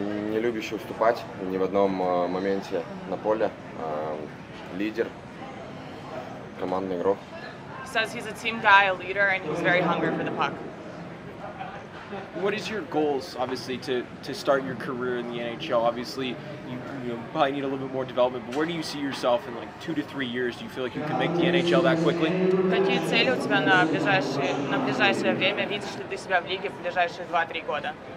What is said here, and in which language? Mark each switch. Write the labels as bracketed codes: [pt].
[ru] Не любящий уступать ни в одном моменте на поле. Лидер, командный игрок. [en] He says he's a team guy, a leader, and he's very hungry for the puck. What is your goals, obviously, to start your career in the NHL? Obviously, you probably need a little bit more development, but where do you see yourself in like 2 to 3 years? Do you feel like you can make the NHL that quickly? [ru] Какие цели у тебя на ближайшее время? Видишь ли ты себя в лиге в ближайшие 2-3 года?